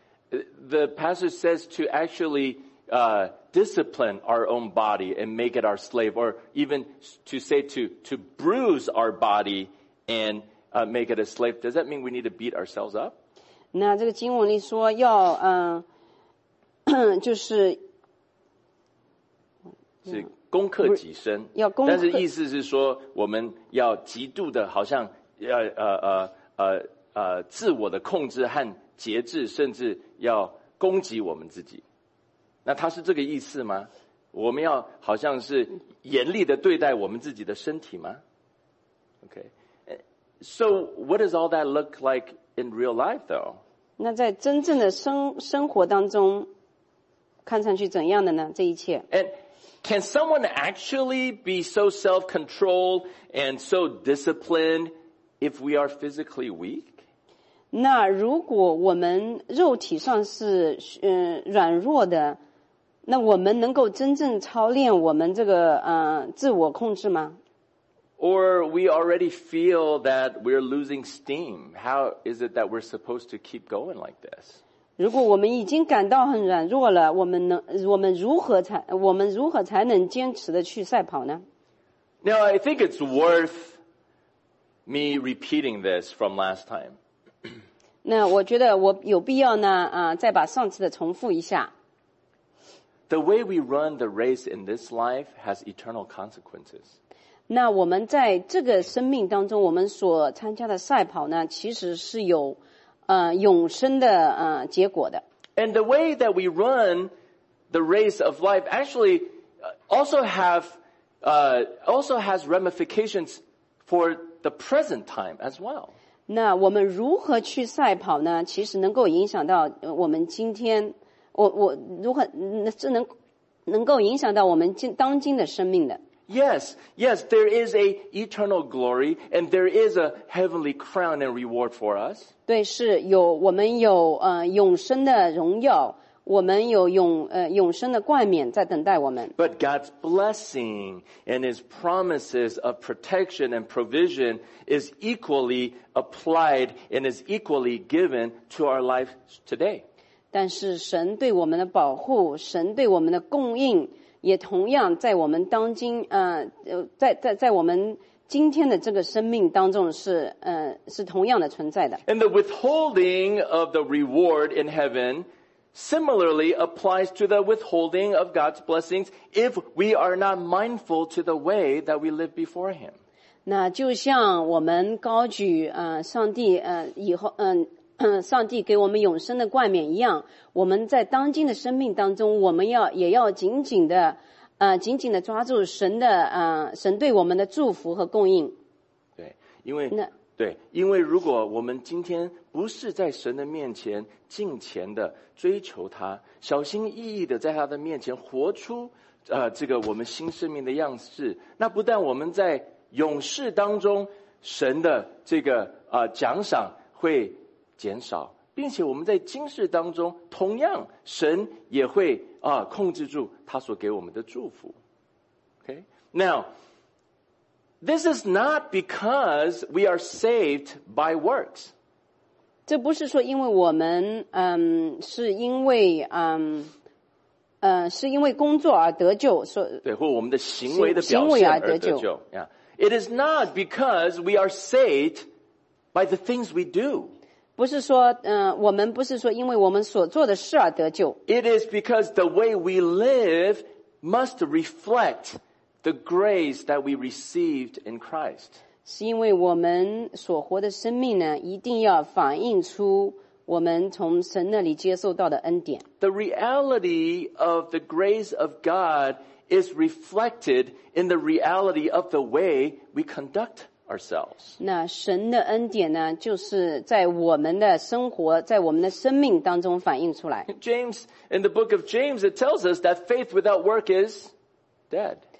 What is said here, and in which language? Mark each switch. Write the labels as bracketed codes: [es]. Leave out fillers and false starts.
[en] The passage says to actually discipline our own body and make it our slave, or even to say to bruise our body and make it a slave. Does that mean we need to beat ourselves up? [zh] 那这个经文里说要就是是攻克己身，要攻克，但是意思是说我们要极度的好像要自我的控制和节制，甚至要攻击我们自己。那他是这个意思吗？我们要好像是严厉的对待我们自己的身体吗？ [en] OK, so what does all that look like in real life though? [zh] 那在真正的生活当中看上去怎样的呢？这一切。 [en] And can someone actually be so self-controlled and so disciplined if we are physically weak? [zh] 那如果我们肉体上是软弱的，那我们能够真正操练我们这个自我控制吗？ [en] Or we already feel that we're losing steam. How is it that we're supposed to keep going like this? [zh] 如果我们已经感到很软弱了，我们如何才能坚持的去赛跑呢？ [en] Now I think it's worth me repeating this from last time. [zh] 那我觉得我有必要呢再把上次的重复一下。 [en] The way we run the race in this life has eternal consequences. [zh] 那我们在这个生命当中，我们所参加的赛跑呢，其实是有永生的结果的。 [en] And the way that we run the race of life actually also has ramifications for the present time as well. [zh] 那我们如何去赛跑呢？其实能够影响到我们今天。我如何这能够影响到我们当今的生命的。 [en] Yes, yes, there is a eternal glory and there is a heavenly crown and reward for us. [zh] 对，是有我们有永生的荣耀，我们有永生的冠冕在等待我们。 [en] But God's blessing and His promises of protection and provision is equally applied and is equally given to our life today. [zh] 但是神对我们的保护，神对我们的供应，也同样在我们当今在我们今天的这个生命当中是同样的存在的。 [en] And the withholding of the reward in heaven similarly applies to the withholding of God's blessings if we are not mindful to the way that we live before Him. [zh] 那就像我们高举上帝以后上帝给我们永生的冠冕一样，我们在当今的生命当中，我们也要紧紧的抓住神的神对我们的祝福和供应。对，因为如果我们今天不是在神的面前敬虔的追求他，小心翼翼的在他的面前活出这个我们新生命的样式，那不但我们在永世当中神的这个奖赏会减少，并且我们在今世当中同样神也会控制住他所给我们的祝福。 [en] Okay, now this is not because we are saved by works. [zh] 这不是说因为我们是因为工作而得救，说对，或我们的行为的表现而得救。 [en] Yeah, it is not because we are saved by the things we do. [zh] 不是说我们不是说因为我们所做的事而得救。 [en] It is because the way we live must reflect the grace that we received in Christ. [zh] 是因为我们所活的生命呢，一定要反映出我们从神那里接受到的恩典。 [en] The reality of the grace of God is reflected in the reality of the way we conduct ourselves. [zh] 那神的恩典呢，就是在我们的生活，在我们的生命当中反映出来。 [en] James, in the book of James, it tells us that faith without work is dead.